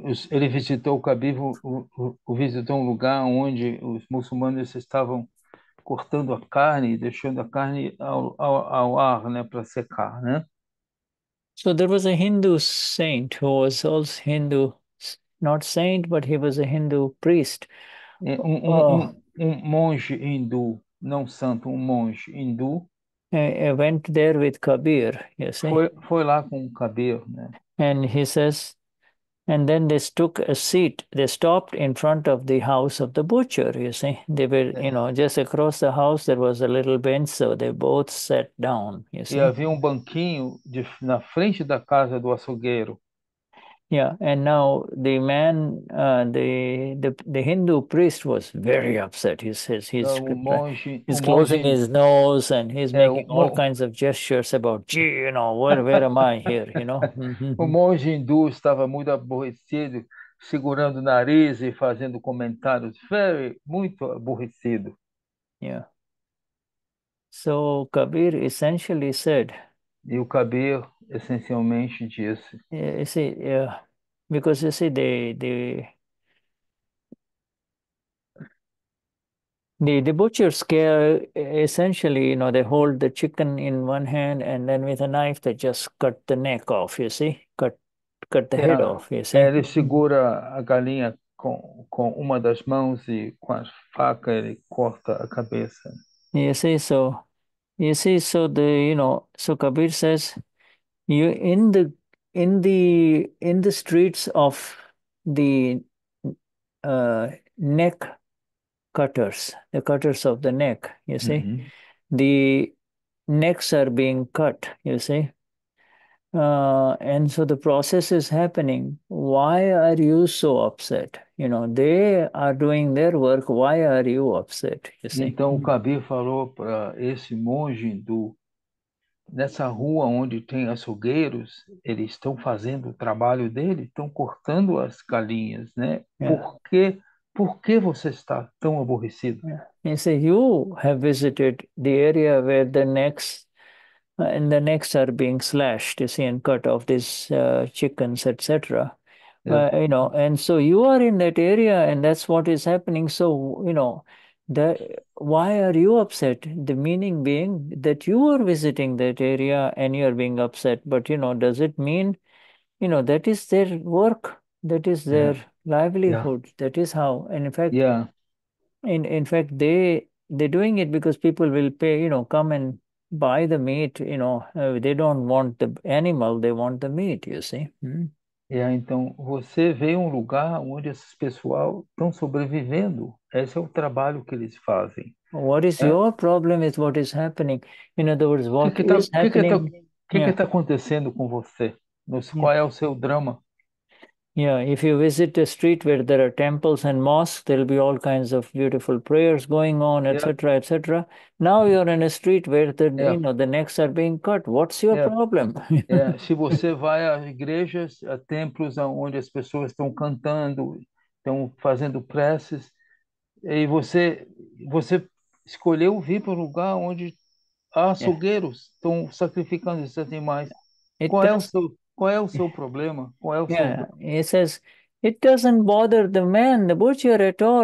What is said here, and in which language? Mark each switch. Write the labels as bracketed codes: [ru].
[pt] Ele visitou o Khabib, visitou um lugar onde os muçulmanos estavam cortando a carne, deixando a carne ao ar, né, para secar, né? [en] So there was a Hindu saint who was also Hindu, not saint, but he was a Hindu priest. [pt] Um monge hindu, não santo, um monge hindu, [en] I went there with Kabir, you see. [pt] foi lá com o Khabib, né? [en] And he says, and then they took a seat. They stopped in front of the house of the butcher, you see. They were, just across the house there was a little bench, so they both sat down, you [pt] E [en] see. [pt] havia um banquinho na frente da casa do açougueiro. [en] Yeah, and now the man, the Hindu priest was very upset. He says he's closing his nose and he's making all kinds of gestures about, gee, where am I here, [pt] O monge hindu estava muito aborrecido, segurando o nariz e fazendo comentários, muito aborrecido. [en] Yeah. So Kabir essentially said, [pt] E o Kabir essencialmente disse. [en] you see, yeah. Because you see, the butchers care essentially, they hold the chicken in one hand and then with a knife they just cut the neck off, you see, cut the head off, you see. [pt] Ele segura a galinha com uma das mãos e com a faca ele corta a cabeça. [en] You see, so You see, so so Kabir says, you in the streets of the neck cutters, the cutters of the neck, you see, the necks are being cut, you see. And so the process is happening. Why are you so upset? They are doing their work. Why are you upset? You see? [pt] Então o Kabir falou para esse monge hindu, nessa rua onde tem açougueiros, eles estão fazendo o trabalho dele, estão cortando as galinhas, né? Por que você está tão aborrecido? [en] He said, you have visited the area where the necks and the necks are being slashed, you see, and cut off these chickens, etc. And so you are in that area, and that's what is happening. So, why are you upset? The meaning being that you are visiting that area and you are being upset. But, does it mean, that is their work, that is their livelihood, that is how, and in fact, they're doing it because people will pay, come and buy the meat, they don't want the animal, they want the meat, you see. [pt] Então você vê um lugar onde esse pessoal estão sobrevivendo. Esse é o trabalho que eles fazem. [en] What is your problem with what is happening? In other words, [pt] O [en] what [pt] que que tá [en] is happening? [pt] acontecendo com você? Qual é o seu drama? [en] Yeah, if you visit a street where there are temples and mosques, there'll be all kinds of beautiful prayers going on, etc., etc. Now you're in a street where the necks are being cut. What's your problem? [pt] Se você vai às igrejas, a templos onde as pessoas estão cantando, estão fazendo preces, e você escolheu vir para um lugar onde há açougueiros, estão sacrificando esses animais. [en] It does. [pt] Qual é o seu problema? Qual é o seu drama? [en] Yeah, he says, it doesn't bother the man, the butcher, at all.